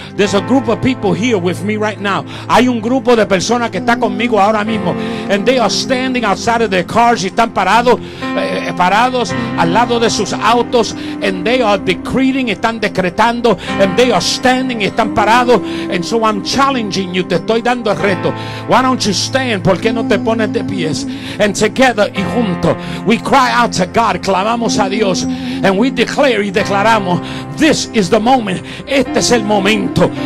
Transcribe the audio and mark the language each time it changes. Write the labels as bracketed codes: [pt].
[en] There's a group of people here with me right now. [es] Hay un grupo de personas que está conmigo ahora mismo. [en] And they are standing outside of their cars. [es] Y están parados al lado de sus autos. [en] And they are decreeing, [es] están decretando. [en] And they are standing, [es] están parados. [en] And so I'm challenging you. [es] Te estoy dando el reto. [en] Why don't you stand? [es] ¿Por qué no te pones de pies? [en] And together, [es] y juntos, [en] we cry out to God, [es] clamamos a Dios, [en] and we declare, [es] y declaramos, [en] this is the moment, [es] este es el momento.